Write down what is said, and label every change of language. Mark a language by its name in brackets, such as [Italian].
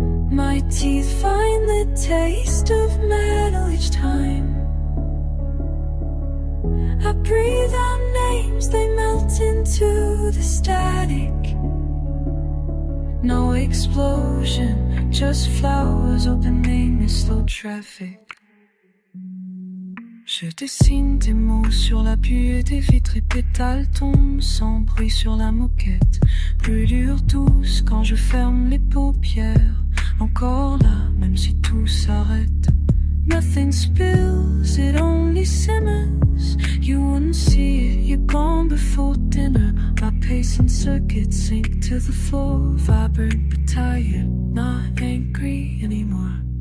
[English] My teeth find the taste of metal each time. I breathe out names, they melt into the static. No explosion, just flowers opening in slow traffic. [French] Je dessine des mots sur la pluie et des vitres et pétales tombent sans bruit sur la moquette. Brûlure douce quand je ferme les paupières. Encore là, même si tout s'arrête. [English] Nothing spills, it only simmers. You wouldn't see it, you're gone before dinner. My pacing circuits sink to the floor. Vibrant but tired, not angry anymore.